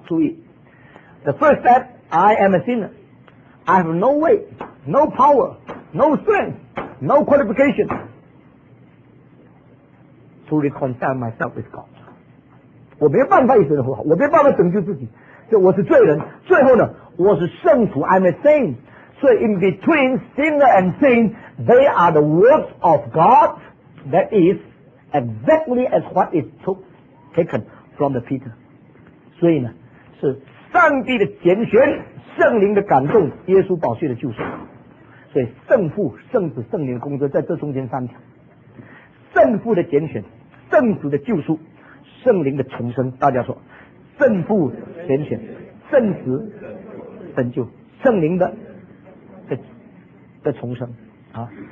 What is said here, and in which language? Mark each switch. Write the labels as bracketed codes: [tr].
[en] 注意 the first step, I am a sinner, I have no way, no power, no strength, no qualificationTo reconcile myself with God，我没有办法与神和好，我没有办法拯救自己，所以我是罪人。 [zh] 最后呢，我是圣徒 ， I'm a saint。 [en] 所以 in between sinner and saint， they are the works of God that is exactly as what is taken from the Peter。 [zh] 所以呢，是上帝的拣选，圣灵的感动，耶稣宝血的救赎。所以圣父、圣子、圣灵的工作在这中间三条。圣父的拣选，圣子的救赎，圣灵的重生。大家说，圣父拣选，圣子拯救，圣灵 的重生啊！